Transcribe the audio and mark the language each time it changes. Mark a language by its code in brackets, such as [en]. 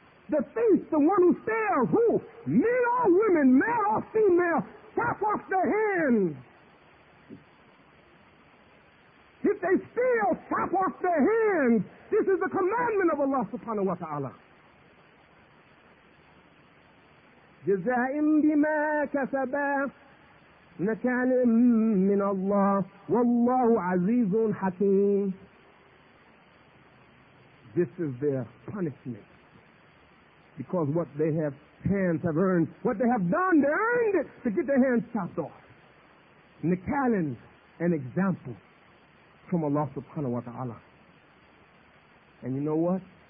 [en] The thief, the one who steals, who? Men or women, male or female, chop off the hand. If they steal, chop off the hand. This is the commandment of Allah subhanahu wa ta'ala. [ar] جزاءً بما كسبا نكالا من الله والله عزيز حكيم. [en] This is their punishment. Because what they have hands have earned, what they have done, they earned it to get their hands chopped off. Nikalin, an example from Allah subhanahu wa ta'ala. And you know what?